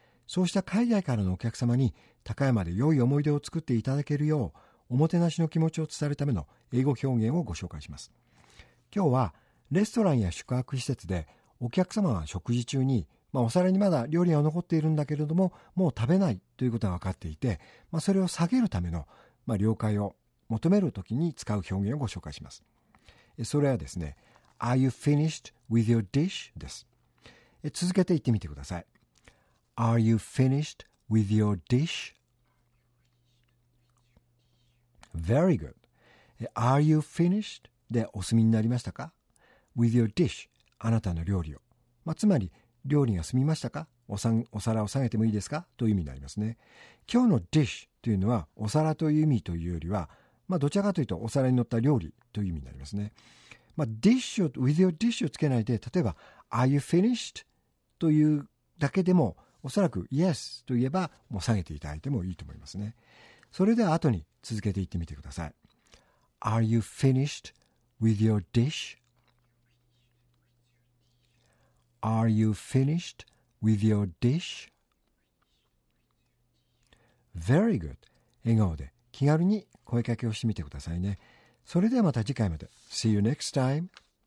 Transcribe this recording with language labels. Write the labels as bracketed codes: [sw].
[ja] そうした海外からのお客様に高山で良い思い出を作っていただけるよう、おもてなしの気持ちを伝えるための英語表現をご紹介します。今日はレストランや宿泊施設でお客様は食事中に、お皿にまだ料理は残っているんだけれども、もう食べないということが分かっていて、それを下げるための了解を求めるときに使う表現をご紹介します。それはですね、 [en] Are you finished with your dish? [ja] です。続けて言ってみてください。 [en] Are you finished with your dish? Very good. Are you finished? [ja] でお済みになりましたか ? [en] With your dish? [ja] あなたの料理を。つまり、料理が済みましたか お皿を下げてもいいですかという意味になりますね。今日の dish というのはお皿という意味というよりは、どちらかというとお皿に乗った料理という意味になりますね。 dish を、with your dish をつけないで、例えば、 [en] Are you finished? [ja] というだけでも、おそらく yes と言えば、もう下げていただいてもいいと思いますね。それでは後に続けていってみてください。 [en] Are you finished with your dish? Are you finished with your dish? Very good. [ja] 笑顔で気軽に声かけをしてみてくださいね。それではまた次回まで。 [en] See you next time.